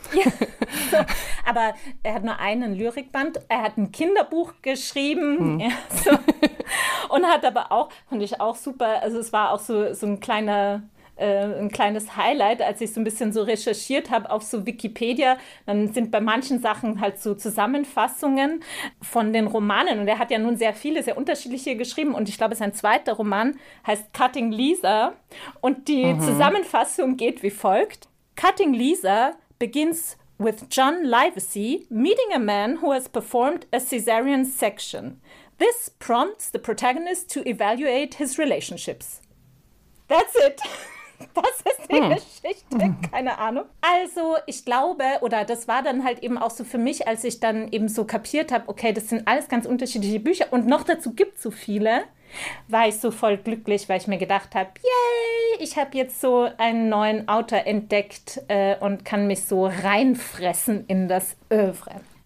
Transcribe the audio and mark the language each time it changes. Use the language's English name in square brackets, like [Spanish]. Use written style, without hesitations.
[German] Ja, so, aber er hat nur einen Lyrikband, er hat ein Kinderbuch geschrieben so, und hat aber auch, fand ich auch super, also es war auch so ein kleines Highlight, als ich so ein bisschen so recherchiert habe auf so Wikipedia, dann sind bei manchen Sachen halt so Zusammenfassungen von den Romanen. Und er hat ja nun sehr viele, sehr unterschiedliche geschrieben. Und ich glaube, sein zweiter Roman heißt Cutting Lisa. Und die Zusammenfassung geht wie folgt. [English] Cutting Lisa begins with John Livesey meeting a man who has performed a cesarean section. This prompts the protagonist to evaluate his relationships. That's it. [German] Das ist die Geschichte, keine Ahnung. Also ich glaube, oder das war dann halt eben auch so für mich, als ich dann eben so kapiert habe, okay, das sind alles ganz unterschiedliche Bücher und noch dazu gibt es so viele, war ich so voll glücklich, weil ich mir gedacht habe, yay, ich habe jetzt so einen neuen Autor entdeckt und kann mich so reinfressen in das Oeuvre.